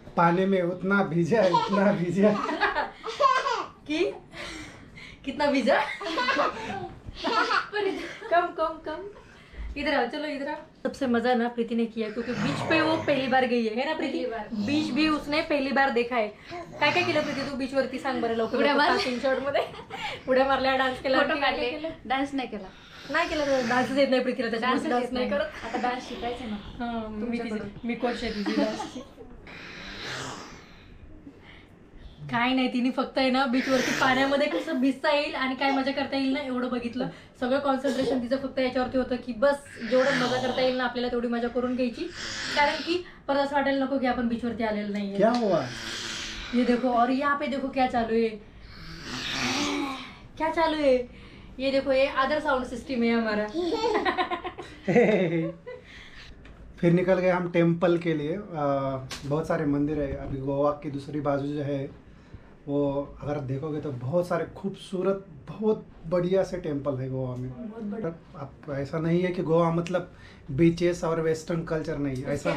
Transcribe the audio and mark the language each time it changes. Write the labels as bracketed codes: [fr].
[hi] पानी में उतना भीजा इतना भीजा कि कितना भीजा कम कम कम इधर आओ चलो इधर आओ। सबसे मजा ना प्रीति ने किया क्योंकि बीच पे वो पहली बार गई है ना प्रीति, बीच भी उसने पहली बार देखा है। [mr] काय काय केलं प्रीति तू बीच वरती सांग बरं लवकर, उड्या मारल्या स्क्रीनशॉट मध्ये उड्या मारल्या, डान्स केला, फोटो काढले, डान्स नाही केला, नाही केला तर डान्स येत नाही प्रीतीला, डान्स नाही करत, आता डान्स शिकायचं ना तुम्ही, तिची मी कोच आहे तुझी डान्स काय नाही, तिने फक्त आहे ना बीच वरती पाण्यामध्ये कसं भिजता येईल आणि काय मजा करता येईल ना एवढं बघितलं, सगळं कॉन्सन्ट्रेशन तिचं फक्त याच्यावरती होतं की बस जेवढं मजा करता येईल ना आपल्याला तेवढी मजा करून घ्यायची, कारण की परत असं वाटायला नको की आपण बीच वरती आलेलो नाही आहे। [hi] देखो और या पे देखो क्या चालू आहे, क्या चालू आहे, ये देखो ये अदर साऊंड सिस्टीम आहे हमारा। फिर निकल गए हम टेम्पल के लिए, बहुत सारे मंदिर है अभी गोवा की दूसरी बाजू जो है वो अगर देखोगे तो बहुत सारे खूबसूरत बहुत बढ़िया से टेम्पल है गोवा में। आप ऐसा नहीं है कि गोवा मतलब बीचेस और वेस्टर्न कल्चर नहीं, ऐसा